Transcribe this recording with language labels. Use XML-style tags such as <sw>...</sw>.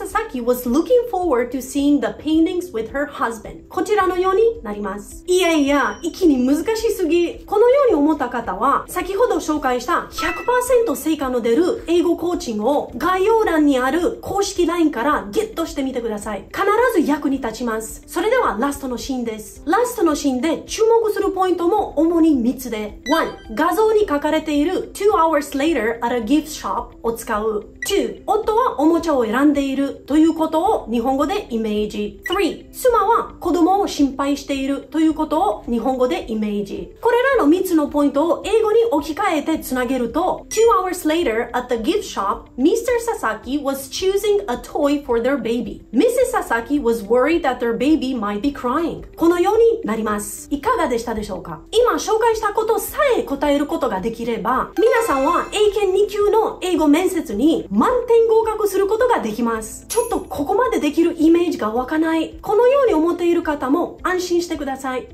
<en>Sasaki was looking forward to seeing the paintings with her husband.</en> <ja>こちらのようになります。いやいや、一気に難しすぎ。このように思った方は、先ほど紹介した 100% 成果の出る英語コーチングを概要欄にある公式 LINE からゲットしてみてください。必ず役に立ちます。それではラストのシーンです。ラストのシーンで注目するポイントも主に3つで。 1. 画像に書かれている</ja> <en>2 hours later at a gift shop</en> <ja>を使う。2. 夫はおもちゃを選んでいるということを日本語でイメージ。 3. 妻は子供を心配しているということを日本語でイメージ。これらの3つのポイントを英語に置き換えてつなげると、</ja> <en>2 hours later at the gift shop, Mr. Sasaki was choosing a toy for their baby. Mrs. Sasaki was worried that their baby might be crying.</en> <ja>このようになります。いかがでしたでしょうか?今紹介したことさえ答えることができれば、皆さんは英検2級の英語面接に満点合格することができます。ちょっとここまでできるイメージが湧かない。このように思っている方も安心してください。</ja>